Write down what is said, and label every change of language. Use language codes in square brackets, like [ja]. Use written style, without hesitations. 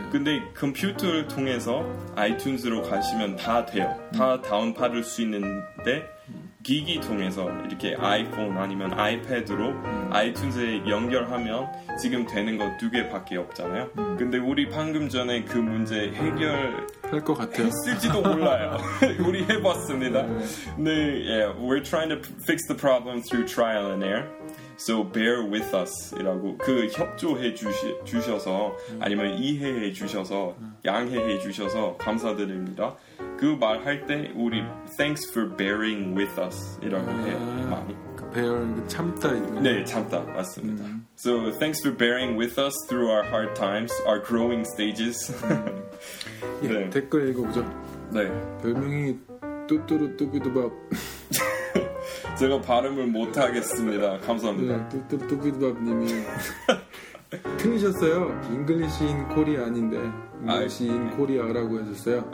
[ko] 근데 컴퓨터를 통해서 아이튠즈로 가시면 다 돼요. 다 다운받을 수 있는데 기기 통해서 이렇게 아이폰 아니면 아이패드로 아이튠즈에 연결하면 지금 되는 거 두 개밖에 없잖아요. 근데 우리 방금 전에 그 문제 해결할 것 같아요. 했을지도 몰라요. 우리 해봤습니다. [en] 네, yeah, we're trying to fix the problem through trial and error. [ko] So bear with us 이라고 그 협조해 주셔서 아니면 이해해 주셔서 양해해 주셔서 감사드립니다. 그 말할 때 우리 thanks for bearing with us 이라고 해요. 그 bear 참다 네 참다 맞습니다. [en] So thanks for bearing with us through our hard times, our growing stages. [ko] 예, 네. 댓글 읽어보죠. 네 별명이 뚜뚜루 뚜비두밥 제가 발음을 못하겠습니다. 감사합니다. 뚜뚜뚜비두밥님이 틀리셨어요. 잉글리시 인 코리아 아닌데 잉글리시 인 코리아라고 해줬어요.